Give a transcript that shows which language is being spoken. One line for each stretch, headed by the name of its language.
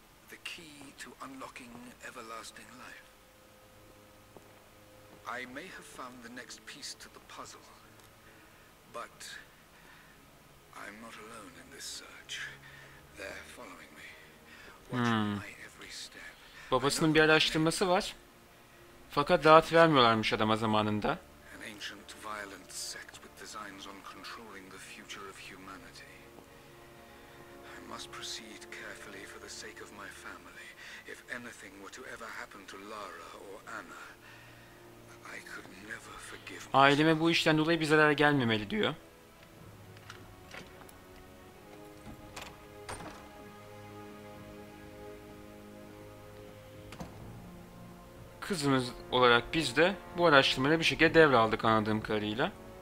English: The key to unlocking everlasting life. I may have found the next piece to the puzzle, but I'm not alone in this search. They're following me, watching my every step.
Turkish: Babasının bir araştırması var. Fakat dağıt vermiyorlarmış adama zamanında.
English: An ancient violent sect with designs on controlling the future of humanity. I must proceed carefully for the sake of my family. If anything were to ever happen to Lara or Anna, I could never forgive myself.
Turkish: Aileme bu işten dolayı bir zarar gelmemeli diyor. Kızımız olarak biz de bu araştırmayı bir şekilde devraldık anladığım kadarıyla.